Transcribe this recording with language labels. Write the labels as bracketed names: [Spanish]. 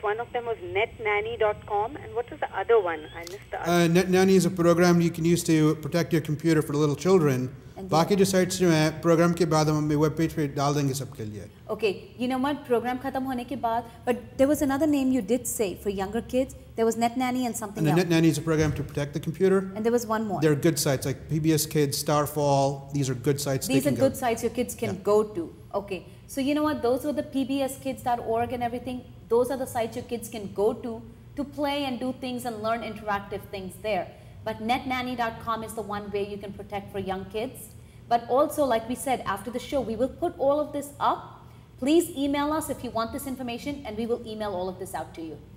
[English] One of them was netnanny.com. And what was the other one? I missed the other one. NetNanny is a program you can use to protect your computer for little children. [Hindi] बाकी जो sites जो हैं programme के बाद हम web page पे डाल देंगे सबके लिए [English] okay you know what [Hindi] programme खत्म होने के बाद [English] But there was another name you did say for younger kids there was Net Nanny and something else Net Nanny is a program to protect the computer and there was one more there are good sites like PBS Kids Starfall these are good sites these are good sites your kids can go to okay so you know what those are the pbskids.org and everything those are the sites your kids can go to play and do things and learn interactive things there But netnanny.com is the one way you can protect for young kids. But also, like we said, after the show, we will put all of this up. Please email us if you want this information, and we will email all of this out to you.